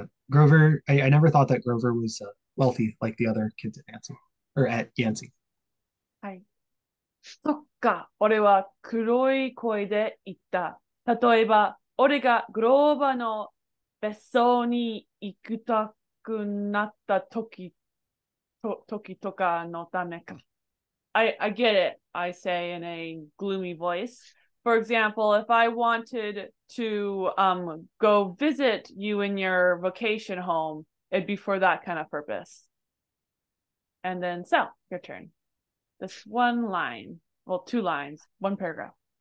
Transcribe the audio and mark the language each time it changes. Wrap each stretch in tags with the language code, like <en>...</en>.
<en>Grover, I never thought that Grover was wealthy like the other kids at Yancey. Or at Yancey. Hi.</en> <ja>そっか、俺は黒い声で言った。例えば、俺がグローバーの別荘に行きたくなった時とかのためか。</ja> <en>I get it, I say in a gloomy voice. For example, if I wanted to go visit you in your vacation home, it'd be for that kind of purpose. And then, so, your turn. This one line, well, two lines, one paragraph.</en>